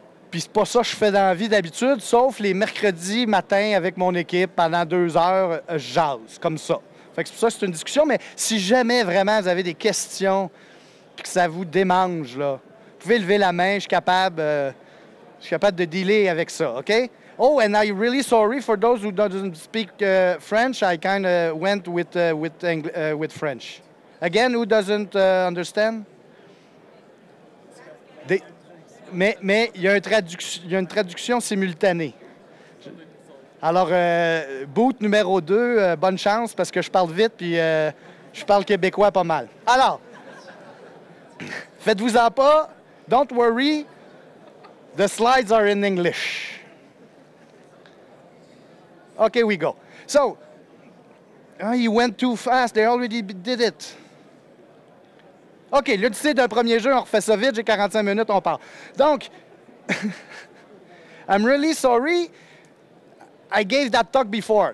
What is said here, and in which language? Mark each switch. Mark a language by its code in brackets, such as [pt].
[fr] Puis c'est pas ça que je fais dans la vie d'habitude, sauf les mercredis matin avec mon équipe, pendant 2 heures, je jase, comme ça. Fait que c'est pour ça que c'est une discussion, mais si jamais vraiment vous avez des questions puis que ça vous démange, là, vous pouvez lever la main, je suis capable de dealer avec ça, OK? [en] Oh, and I'm really sorry for those who don't speak French. I kind of went with French. Again, who doesn't understand? [fr] Mais il y a une traduction simultanée. Alors, boot numéro 2, bonne chance, parce que je parle vite, puis je parle québécois pas mal. Alors, faites-vous-en pas. [en] Don't worry, the slides are in English. Okay, we go. So, he went too fast, they already did it. [fr] OK, l'Odyssée d'un premier jeu, on refait ça vite, j'ai 45 minutes, on part. [en] Donc, I'm really sorry, I gave that talk before.